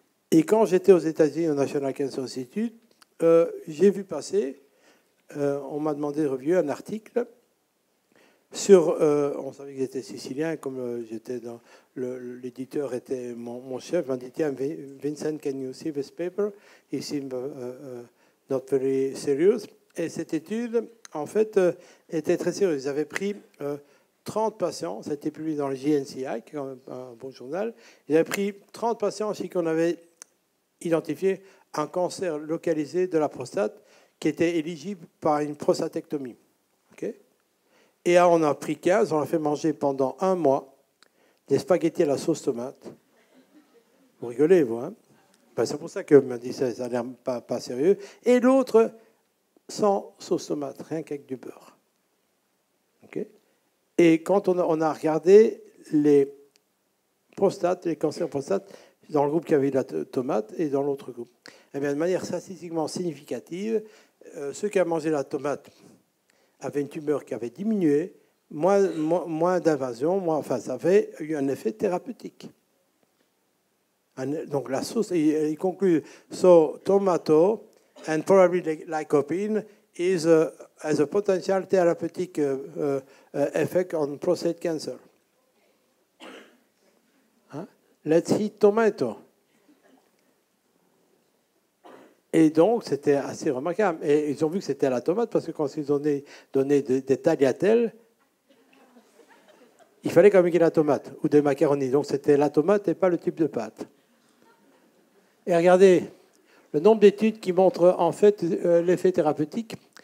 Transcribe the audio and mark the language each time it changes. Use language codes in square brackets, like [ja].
[fr] Et quand j'étais aux États-Unis au National Cancer Institute, j'ai vu passer, on m'a demandé de revue un article sur, on savait que j'étais sicilien, comme j'étais dans l'éditeur était mon chef, m'a dit, tiens, Vincent, [en] can you see this paper? He seemed not very serious. [fr] Et cette étude, en fait, était très sérieuse. Ils avaient pris 30 patients, ça a été publié dans le JNCI, qui est quand même un bon journal. Ils avaient pris 30 patients aussi qu'on avait identifié un cancer localisé de la prostate qui était éligible par une prostatectomie. Okay. Et on a pris 15, on a fait manger pendant un mois des spaghettis à la sauce tomate. Vous rigolez, vous, hein ? Ben, c'est pour ça que m'a dit ça, ça a l'air pas sérieux. Et l'autre, sans sauce tomate, rien qu'avec du beurre. Okay. Et quand on a regardé les prostates, les cancers prostates, dans le groupe qui avait la tomate et dans l'autre groupe. Eh bien, de manière statistiquement significative, ceux qui ont mangé la tomate avaient une tumeur qui avait diminué, moins d'invasion, enfin, ça avait eu un effet thérapeutique. Donc la sauce, il conclut, [en] « So, tomato and probably lycopene has a potential therapeutic effect on prostate cancer. » Let's eat tomato. [fr] Et donc, c'était assez remarquable. Et ils ont vu que c'était à la tomate, parce que quand ils ont donné des tagliatelles, il fallait quand même qu'il y ait la tomate ou des macaronis. Donc, c'était la tomate et pas le type de pâte. Et regardez, le nombre d'études qui montrent, en fait, l'effet thérapeutique.